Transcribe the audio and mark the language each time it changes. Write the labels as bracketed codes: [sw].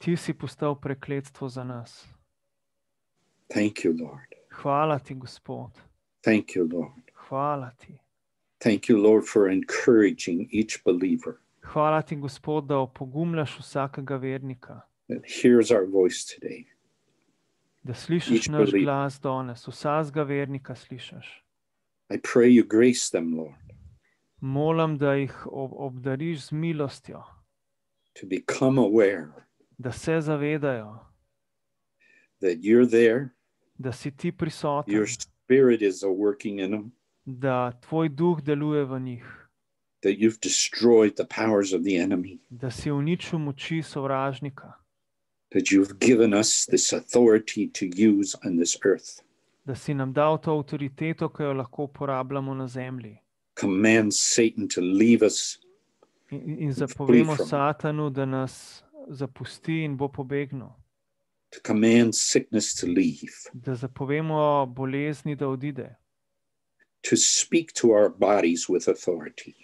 [sl] Ti si postal prekletstvo za nas. [en] Thank you, Lord. [sl] Hvala ti, Gospod. [en] Thank you, Lord. [sl] Hvala ti. [en] Thank you, Lord, for encouraging each believer. [sl] Hvala ti, Gospod, da opogumljaš vsakega vernika. [en] That hears our voice today. [sl] Da slišiš naš glas danes, vsakega vernika slišiš. [en] I pray you grace them, Lord. [sl] Molim, da jih obdariš z milostjo. [en] To become aware. [sl] Da se zavedajo. [en] That you're there. [sl] Da si ti prisoten. [en] Your spirit is working in them. [sl] Da tvoj duh deluje v njih. [en] That you've destroyed the powers of the enemy. [sl] Da si uničil moči sovražnika. [en] That you've given us this authority to use on this earth. [sl] Da si nam dal to avtoriteto, ki jo lahko uporabljamo na zemlji. [en] Command Satan to leave us. [sl] In zapovemo Satanu, da nas zapusti in bo pobegnil. [en] To command sickness to leave. [sl] Da zapovemo bolezni, da odide. [en] To speak to our bodies with authority.